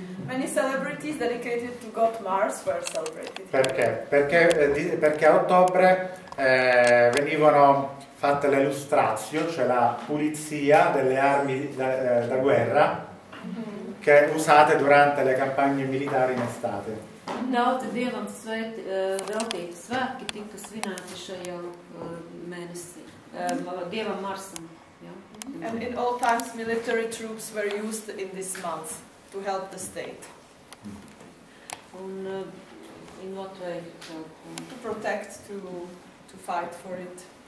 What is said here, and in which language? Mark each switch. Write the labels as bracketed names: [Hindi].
[English] Many celebrities dedicated to God Mars were celebrated. [Italian] Perché? Perché, perché a ottobre venivano fatte le lustrazio, cioè la pulizia delle armi da guerra che usate durante le campagne militari in estate. [Latvian] Daudz dievam svēti, veltīti svētki tika svinēti šajā mēnesī, dievam Marsam. Ja? [English] And in all times military troops were used in this month to help the state. Un in what way? To protect, to fight for it.